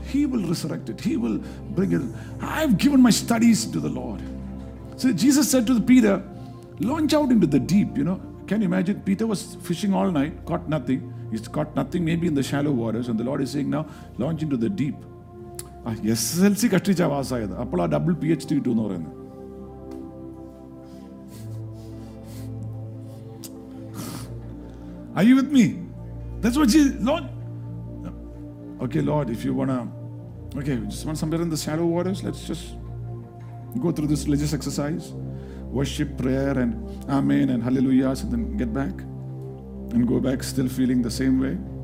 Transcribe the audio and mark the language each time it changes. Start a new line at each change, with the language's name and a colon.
English: He will resurrect it. He will bring it. I've given my studies to the Lord. So Jesus said to Peter, launch out into the deep, you know. Can you imagine? Peter was fishing all night, caught nothing. He's caught nothing, maybe in the shallow waters. And the Lord is saying now, launch into the deep.
Malayalam: SSLC കഷ്ടിച്ച പാസ്സായത് അപ്പോൾ ആ double P H D കിട്ടു എന്ന് പറയുന്നത്
English: Are you with me? That's what Jesus, Lord. Okay, Lord, if you wanna, okay, we just want somewhere in the shallow waters. Let's just go through this religious exercise, worship, prayer, and amen and hallelujahs, and then get back and go back still feeling the same way.